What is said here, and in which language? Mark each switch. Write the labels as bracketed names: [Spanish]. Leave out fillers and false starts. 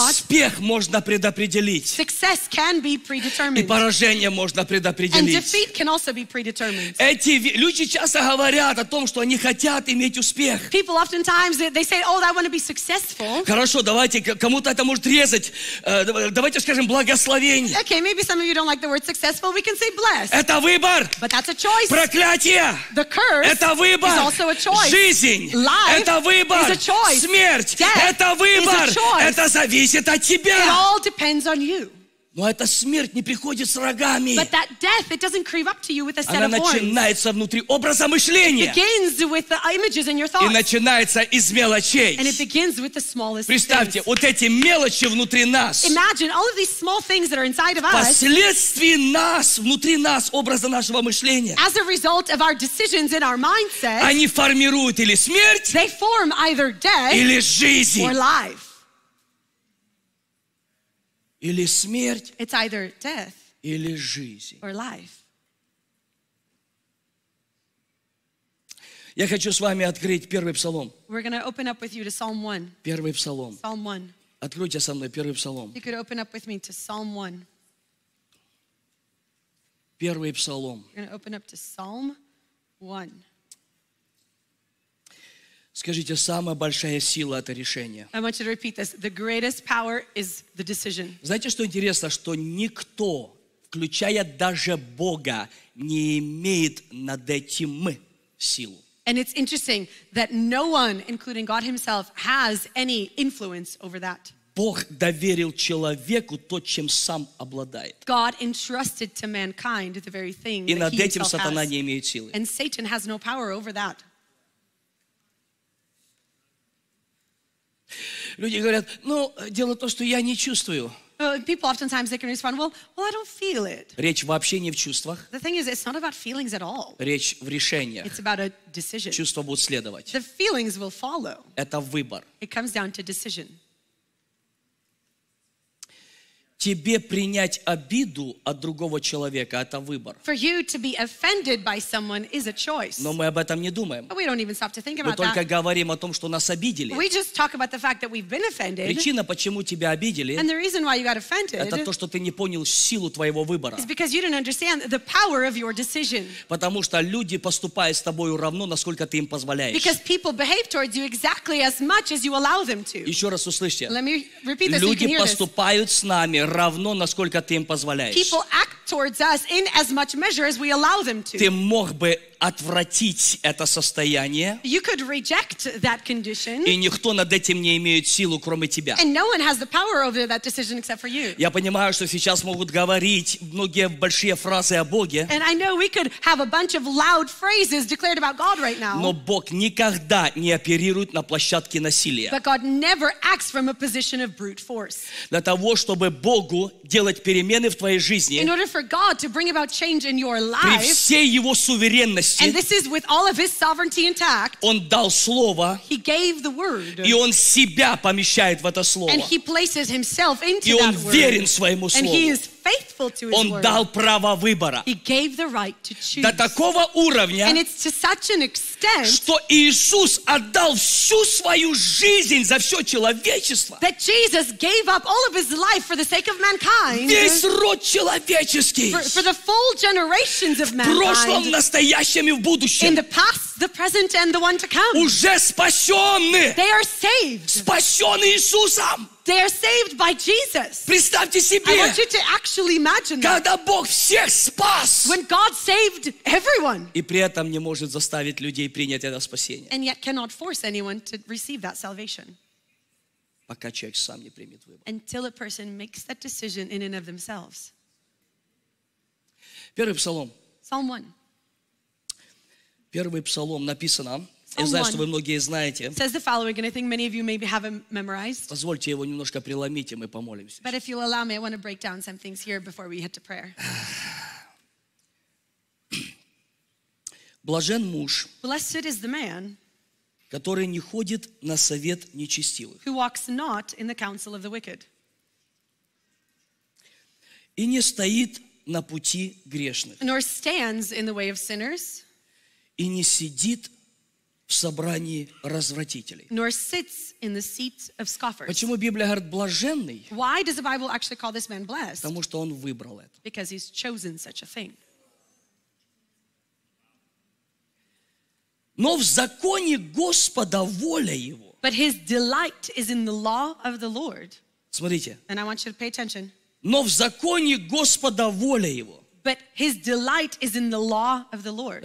[Russian] Успех можно предопределить. [English] Success can be predetermined. [Russian] И поражение можно предопределить. [English] And defeat can also be predetermined. [Russian] Эти люди часто говорят о том, что они хотят иметь успех. [English] People oftentimes they say, oh, I want to be successful. [Russian] Хорошо, давайте кому-то это может резать. Давайте скажем благословение. [English] Okay, maybe some of you don't like the word successful. We can say blessed. [Russian] Это выбор. [English] But that's a choice. [Russian] Проклятие. [English] The curse. [Russian] Это выбор. [English] Is also a choice. [Russian] Жизнь. [English] Life. [Russian] Это выбор. [English] Is a choice. [Russian] Смерть. [English] Death. [Russian] Это выбор. [English] Is a choice. [Russian] Это зависит от тебя. [English] It all depends on you. [Russian] Но эта смерть не приходит с рогами. [English] But that death, it doesn't creep up to you with a set [Russian] она [English] of horns. [Russian] Она начинается внутри образа мышления. [English] It begins with the images in your thoughts. [Russian] И начинается из мелочей. [English] And it begins with the smallest [Russian] представьте, [English] things. [Russian] Вот эти мелочи внутри нас. [English] Imagine all of these small things that are inside of us. [Russian] Впоследствии нас, внутри нас, образа нашего мышления. [English] As a result of our decisions in our mindset. [Russian] Они формируют или смерть. [English] They form either death. [Russian] Или жизнь. [English] Or life. [Russian] Или смерть. [English] It's either death. [Russian] Или жизнь. [English] Or life. [Russian] Я хочу с вами открыть первый псалом. [English] We're going to open up with you to Psalm 1. [Russian] Первый псалом. [English] Psalm 1. [Russian] Откройте со мной первый псалом. [English] You could open up with me to Psalm 1. [Russian] Первый псалом. [English] We're going to open up to Psalm 1. [Russian] Скажите, самая большая сила — это решение. [English] I want you to repeat this. The greatest power is the decision. [Russian] Знаете, что интересно? Что никто, включая даже Бога, не имеет над этим силу. [English] And it's interesting that no one, including God himself, has any influence over that. [Russian] Бог доверил человеку то, чем сам обладает. [English] God entrusted to mankind the very thing that he himself has. [Russian] И над этим сатана не имеет силы. [English] And Satan has no power over that. [Russian] люди говорят, ну, дело то, что я не чувствую. [English] People oftentimes they can respond, well, I don't feel it. [Russian] Речь вообще не в чувствах. [English] The thing is, it's not about feelings at all. [Russian] Речь в решениях. [English] It's about a decision. [Russian] Чувства будут следовать. [English] The feelings will follow. [Russian] Это выбор. [English] It comes down to decision. [Russian] Тебе принять обиду от другого человека — это выбор. [English] For you to be offended by someone is a choice. [Russian] Но мы об этом не думаем. [English] But we don't even stop to think about [Russian] только говорим о том, что нас обидели. [English] We just talk about the fact that we've been offended. [Russian] Причина, почему тебя обидели, [English] and the reason why you got offended, [Russian] это то, что ты не понял силу твоего выбора. [English] Is because you didn't understand the power of your decision. [Russian] Потому что люди поступают с тобой равно, насколько ты им позволяешь. [English] Because people behave towards you exactly as much as you allow them to. [Russian] Еще раз услышьте. [English] Let me repeat this. [Russian] Люди поступают с нами равно, насколько ты им позволяешь. [English] People act towards us in as much measure as we allow them to. [Russian] Ты мог бы отвратить это состояние. [English] You could reject that condition. [Russian] И никто над этим не имеет силу, кроме тебя. [English] And no one has the power over that decision except for you. [Russian] Я понимаю, что сейчас могут говорить многие большие фразы о Боге. [English] And I know we could have a bunch of loud phrases declared about God right now. [Russian] Но Бог никогда не оперирует на площадке насилия. [English] But God never acts from a position of brute force. [Russian] Для того, чтобы Богу делать перемены в твоей жизни, [English] in order for God to bring about change in your life, [Russian] при всей его суверенности, [English] and this is with all of his sovereignty intact, [Russian] он дал слово, [English] he gave the word, [Russian] и он себя помещает в это слово, [English] and he places himself into that word, [Russian] и он верен своему слову, [English] and he is faithful to his [Russian] он [English] word. [Russian] Дал право выбора, [English] he gave the right to choose, [Russian] до такого уровня, [English] and it's to such an extent, [Russian] что Иисус отдал всю свою жизнь за все человечество, [English] that Jesus gave up all of his life for the sake of mankind, [Russian] весь род человеческий, [English] for the full generations of mankind, [Russian] в прошлом, настоящем, [English] in the past, the present, and the one to come. [Russian] Уже спасенные. [English] They are saved. [Russian] Спасенные Иисусом. [English] They are saved by Jesus. [Russian] Представьте себе. [English] I want you to actually imagine [Russian] когда [English] that. [Russian] Бог всех спас. [English] When God saved everyone. [Russian] И при этом не может заставить людей принять это спасение. [English] And yet cannot force anyone to receive that salvation. [Russian] Пока человек сам не примет выбор. [English] Until a person makes that decision in and of themselves. [Russian] Первый псалом. [English] Psalm 1. [Russian] Первый псалом написано, я знаю, что вы многие знаете. [English] Says the following, and I think many of you maybe have it memorized. [Russian] Позвольте его немножко преломить, и мы помолимся. [English] But if you'll allow me, I want to break down some things here before we head to prayer. [Russian] Блажен муж, [English] blessed is the man, [Russian] который не ходит на совет нечестивых, [English] who walks not in the counsel of the wicked, [Russian] и не стоит на пути грешных, [English] nor stands in the way of sinners, [Russian] и не сидит в собрании развратителей. [English] Nor sits in the seat of scoffers. [Russian] Почему Библия говорит блаженный? [English] Why does the Bible actually call this man blessed? [Russian] Потому что он выбрал это. [English] Because he's chosen such a thing. [Russian] Но в законе Господа воля его. [English] But his delight is in the law of the Lord. [Russian] Смотрите. [English] And I want you to pay attention. [Russian] Но в законе Господа воля его. [English] But his delight is in the law of the Lord.